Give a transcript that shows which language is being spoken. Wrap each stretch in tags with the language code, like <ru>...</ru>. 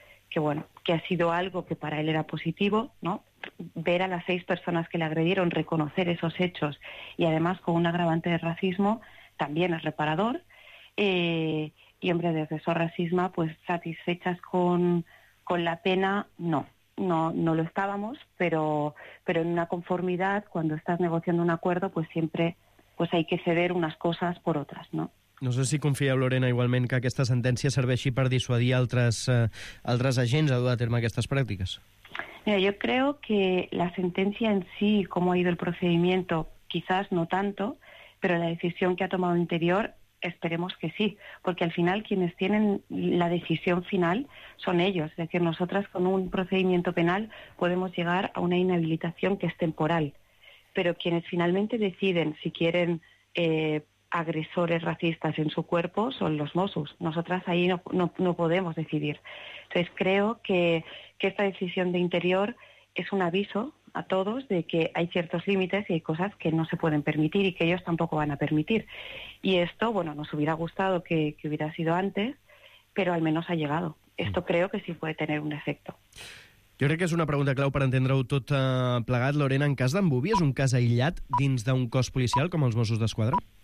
<es>que ha sido algo que para él era positivo, ¿no? Ver a las 6 personas que le agredieron reconocer esos hechos y además con un agravante de racismo también es reparador. Y hombre, de asesor racismo, pues satisfechas con la pena, no lo estábamos, pero en una conformidad, cuando estás negociando un acuerdo, pues siempre pues hay que ceder unas cosas por otras, ¿no?</es> <ca>No sé si confieu, Lorena, igualment, que aquesta sentència serveixi per dissuadir altres agents a dur a terme aquestes pràctiques.</ca> <es>Mira, yo creo que la sentencia en sí, cómo ha ido el procedimiento, quizás no tanto, pero la decisión que ha tomado Interior, esperemos que sí, porque al final quienes tienen la decisión final son ellos, es decir, nosotras con un procedimiento penal podemos llegar a una inhabilitación que es temporal, pero quienes finalmente deciden si quieren agresores racistas en su cuerpo son los Mossos. Nosotras ahí no podemos decidir. Entonces creo que esta decisión de Interior es un aviso a todos de que hay ciertos límites y hay cosas que no se pueden permitir y que ellos tampoco van a permitir. Y esto, bueno, nos hubiera gustado que hubiera sido antes, pero al menos ha llegado. Esto creo que sí puede tener un efecto.</es> <ca>Jo crec que és una pregunta clau per entendre-ho tot plegat. Lorena, en cas d'en Bubi és un cas aïllat dins d'un cos policial com els Mossos d'Esquadra?</ca>